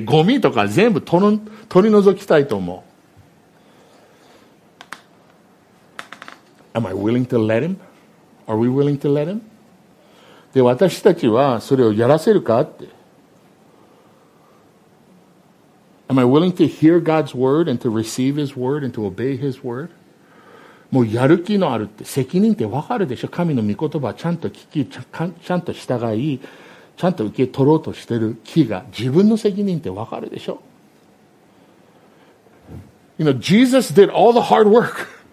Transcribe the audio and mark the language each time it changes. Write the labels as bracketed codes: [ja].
[ja] 神様、私たちと一緒に座りたい。で、耳くそとかいらないものってゴミとか全部取り除きたいと思う。 [en] Am I willing to let him? Are we willing to let him? [ja] で、私たちはそれをやらせるかって。 [en] Am I willing to hear God's word and to receive his word and to obey his word? [ja] もうやる気のあるって責任ってわかるでしょ?神の御言葉ちゃんと聞き、ちゃんと従い、ちゃんと受け取ろうとしてる気が自分の責任ってわかるでしょ? [en] You know, Jesus did all the hard work.